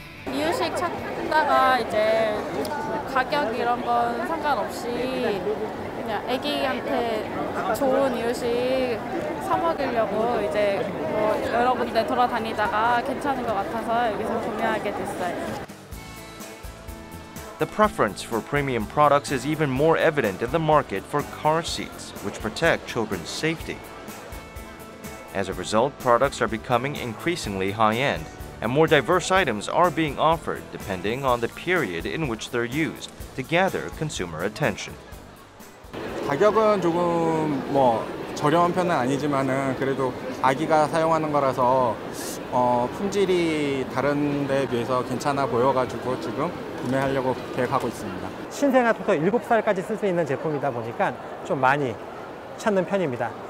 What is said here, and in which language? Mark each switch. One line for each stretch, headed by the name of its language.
Korean: 이유식 찾다가 이제 가격 이런 건 상관없이 그냥 아기한테 좋은 이유식 사 먹이려고 이제 뭐 여러 군데 돌아다니다가 괜찮은 것 같아서 여기서 구매하게 됐어요.
English: The preference for premium products is even more evident in the market for car seats, which protect children's safety. As a result, products are becoming increasingly high-end, and more diverse items are being offered depending on the period in which they're used to gather consumer attention.
Korean: 가격은 조금 뭐 저렴한 편은 아니지만은 그래도 아기가 사용하는 거라서 품질이 다른 데에 비해서 괜찮아 보여가지고 지금 구매하려고 계획하고 있습니다. 신생아부터 7살까지 쓸 수 있는 제품이다 보니까 좀 많이 찾는 편입니다.